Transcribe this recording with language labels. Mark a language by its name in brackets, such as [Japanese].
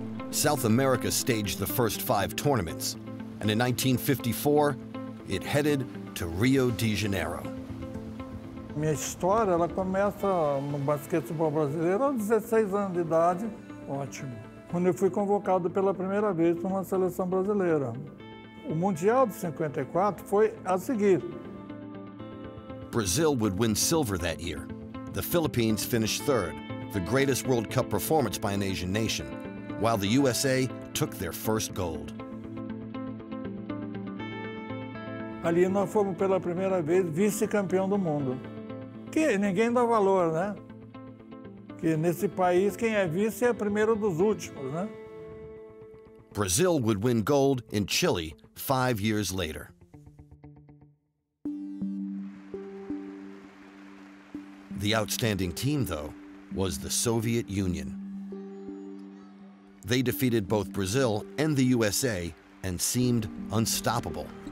[English] South America staged the first five tournaments, and in 1954, it headed to Rio de Janeiro. [Portuguese] Minha história, ela começa no basquetebol brasileiro aos 16 anos de idade. Ótimo. Quando eu fui convocado pela primeira vez para uma seleção brasileira. O Mundial de 54 foi a seguir. [English] Brazil would win silver that year. The Philippines finished third, the greatest World Cup performance by an Asian nation, while the USA took their first gold. [Portuguese] Ali nós fomos pela primeira vez vice-campeão do mundo. Que ninguém dá valor, né? Que nesse país quem é vice é primeiro dos últimos, né? [English] Brazil would win gold in Chile 5 years later. The outstanding team, though, was the Soviet Union. They defeated both Brazil and the USA and seemed unstoppable.